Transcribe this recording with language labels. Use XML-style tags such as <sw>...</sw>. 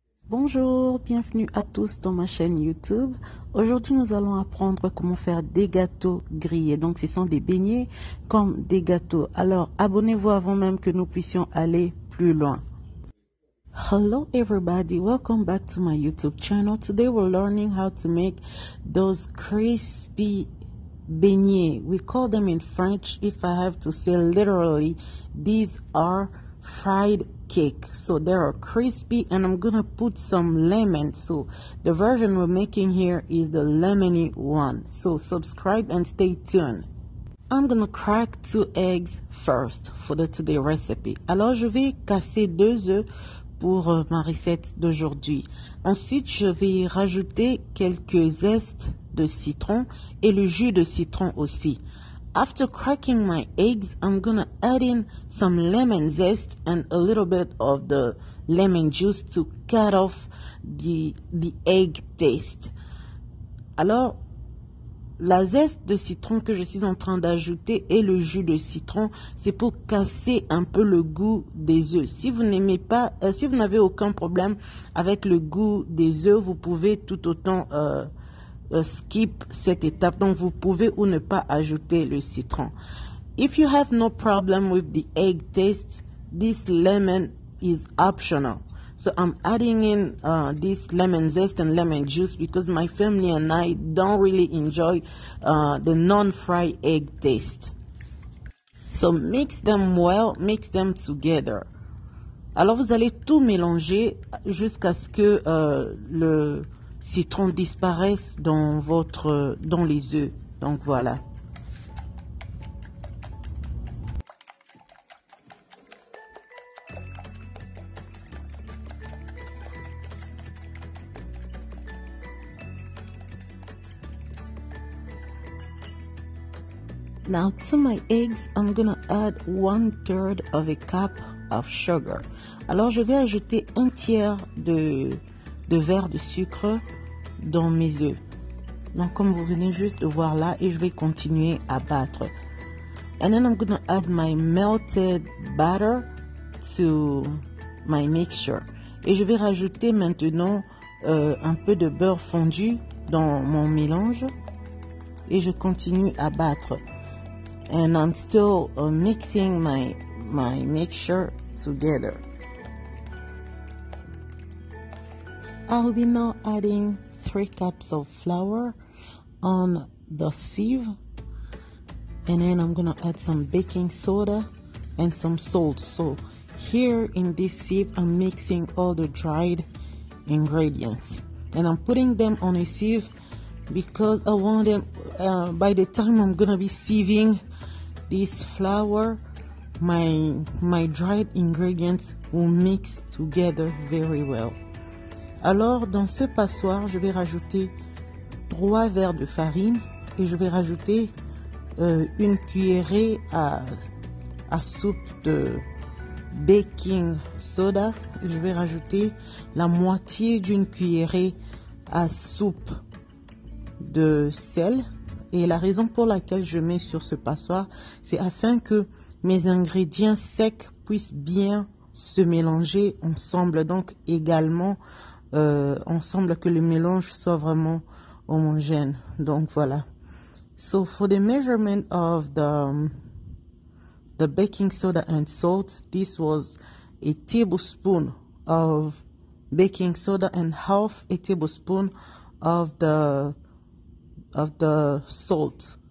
<fr>Bonjour, bienvenue à tous dans ma chaîne YouTube. Aujourd'hui, nous allons apprendre comment faire des gâteaux grillés. Donc, ce sont des beignets comme des gâteaux. Alors, abonnez-vous avant même que nous puissions aller plus loin.</fr> <en>Hello everybody, welcome back to my YouTube channel. Today, we're learning how to make those crispy beignets. We call them in French, if I have to say literally, these are fried cake. So they are crispy and I'm gonna put some lemon. So the version we're making here is the lemony one. So subscribe and stay tuned. I'm gonna crack two eggs first for the today recipe.</en> <fr>Alors je vais casser deux œufs pour ma recette d'aujourd'hui. Ensuite, je vais rajouter quelques zestes de citron et le jus de citron aussi.</fr> <en>After cracking my eggs, I'm gonna add in some lemon zest and a little bit of the lemon juice to cut off the egg taste.</en> <fr>Alors, la zeste de citron que je suis en train d'ajouter et le jus de citron, c'est pour casser un peu le goût des œufs. Si vous n'aimez pas, si vous n'avez aucun problème avec le goût des œufs, vous pouvez tout autant skip cette étape, donc vous pouvez ou ne pas ajouter le citron.</fr> <en>If you have no problem with the egg taste, this lemon is optional. So I'm adding in this lemon zest and lemon juice because my family and I don't really enjoy the non-fried egg taste. So mix them well, mix them together.</en> <fr>Alors vous allez tout mélanger jusqu'à ce que le citron disparaissent dans les œufs. Donc voilà.</fr> <en>Now to my eggs, I'm gonna add 1/3 cup of sugar.</en> <fr>Alors je vais ajouter 1/3 de verre de sucre dans mes œufs. Donc comme vous venez juste de voir là, et je vais continuer à battre.</fr> <en>And then I'm gonna add my melted butter to my mixture.</en> <fr>Et je vais rajouter maintenant un peu de beurre fondu dans mon mélange. Et je continue à battre.</fr> <en>And I'm still mixing my mixture together. I'll be now adding 3 cups of flour on the sieve, and then I'm gonna add some baking soda and some salt. So here in this sieve, I'm mixing all the dried ingredients, and I'm putting them on a sieve because I want them, by the time I'm gonna be sieving this flour, my dried ingredients will mix together very well.</en> <fr>Alors, dans ce passoir, je vais rajouter 3 verres de farine et je vais rajouter 1 cuillerée à soupe de baking soda. Et je vais rajouter la moitié d'une cuillerée à soupe de sel. Et la raison pour laquelle je mets sur ce passoir, c'est afin que mes ingrédients secs puissent bien se mélanger ensemble, donc également ensemble, que le mélange soit vraiment homogène. Donc voilà.</fr> <en>So for the measurement of the baking soda and salt, this was a tablespoon of baking soda and half a tablespoon of the salt.</en>